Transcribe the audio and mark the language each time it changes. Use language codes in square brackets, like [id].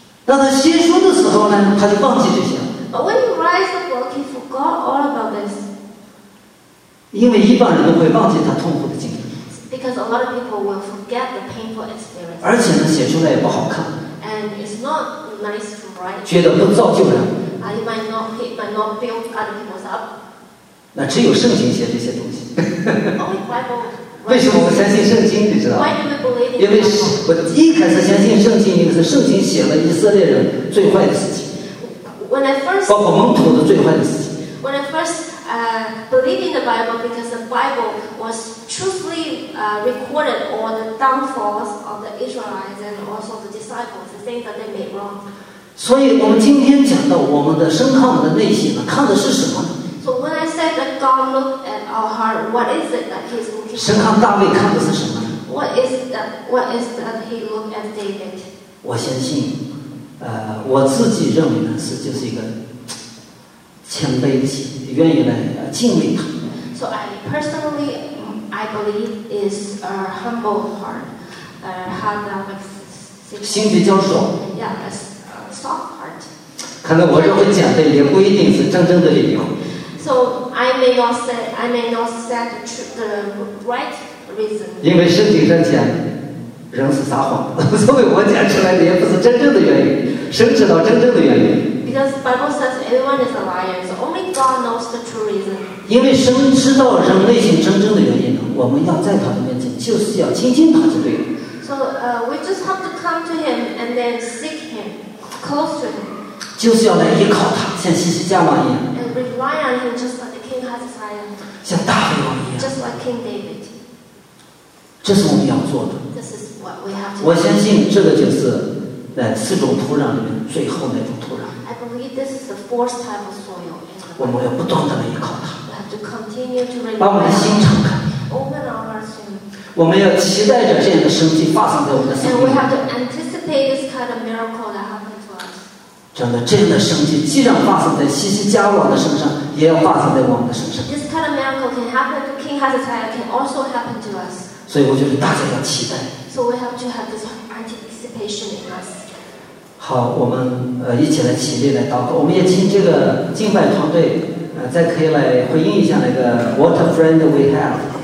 [zh] 当他写书的时候呢，他就忘记这些。 [en] But when he writes the book, he forgot all about this. [zh] 因为一般人都会忘记他痛苦的经历。 [en] Because a lot of people will forget the painful experience. [zh] 而且呢，写出来也不好看。 [en] And it's not nice to write. [zh] 觉得不造就人。 [en] He might not build other people up. [zh] 那只有圣经写这些东西。 [en] Only Bible [zh] 为什么我们相信圣经？你知道吗？因为我一开始相信圣经，因为是圣经写了以色列人最坏的事情。 [en] When I first, [zh] 包括蒙土的最坏的事情。 [en] When I first, believed in the Bible, because the Bible was truthfully, recorded all the downfalls of the Israelites and also the disciples, the things that they made wrong. [zh] 所以我们今天讲到我们的身看我们的内心呢，看的是什么？ [en] So when I said that God looked at our heart, what is it that He's looking at? [zh] 神看大卫看的是什么？ [en] What is that He looked at David? [zh] 我相信，我自己认为呢是就是一个谦卑的心，愿意来敬畏他。 [en] So I personally, I believe is a humble heart, have that like [zh] 心比较软。 [en] Yeah, a soft heart. [zh] 可能我认为讲的也不一定是真正的理由。 [en] So I may not say the right reason. [zh] 因为圣经上讲，人是撒谎的，所以我讲出来的也不是真正的原因。神知道真正的原因。 [en] Because Bible says everyone is a liar, so only God knows the true reason. [zh] 因为神知道人内心真正的原因呢，我们要在他的面前，就是要亲近他，就对了。 [en] So we just have to come to Him and then seek Him, close to Him. [zh] 就是要来依靠他，像西西家王一样。 [en] Rely on him just like the king has his eye on. [zh] 像大卫王一样。 [en] Just like King David. [zh] 这是我们要做的。 [en] This is what we have to do. [zh] 我相信这个就是在四种土壤里面最后那种土壤。 [en] I believe this is the fourth type of soil. [zh] 我们要不断地来依靠他。 [en] We have to continue to rely on. [zh] 把我们的心敞开。 [en] Open our hearts. [zh] 我们要期待着这样的神迹发生在我们的生命。 [en] And we have to anticipate this kind of miracle that happens. [zh] 真的，这样的神迹，既然发生在西西家王的身上，也要发生在我们的身上。 [en] This kind of miracle can happen to King Hezekiah, can also happen to us. [zh] 所以我觉得大家要期待。 [en] So we have to have this anticipation in us. [zh] 好，我们一起来起立来祷告。我们也请这个敬拜团队，再可以来回应一下那个 [en] What a friend we have.